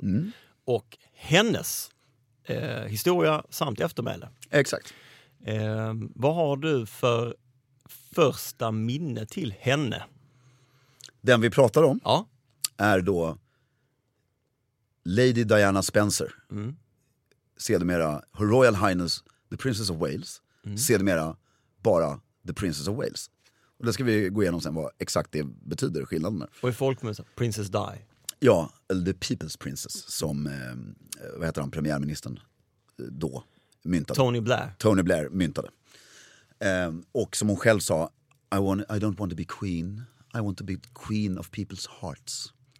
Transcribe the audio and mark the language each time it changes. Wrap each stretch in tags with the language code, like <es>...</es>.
<sv>Mm. Och hennes... historia samt eftermäle. Exakt. Vad har du för första minne till henne? Den vi pratar om ja. Är då Lady Diana Spencer. Mm. Sedermera Her Royal Highness The Princess of Wales. Mm. Sedermera bara The Princess of Wales. Och det ska vi gå igenom sen vad exakt det betyder, skillnaden. Och i folkmun så Princess Di. Ja, The People's Princess som vad heter han, premiärministern då myntade. Tony Blair myntade. Och som hon själv sa,</sv> <en>I don't want to be queen, I want to be queen of people's hearts.</en>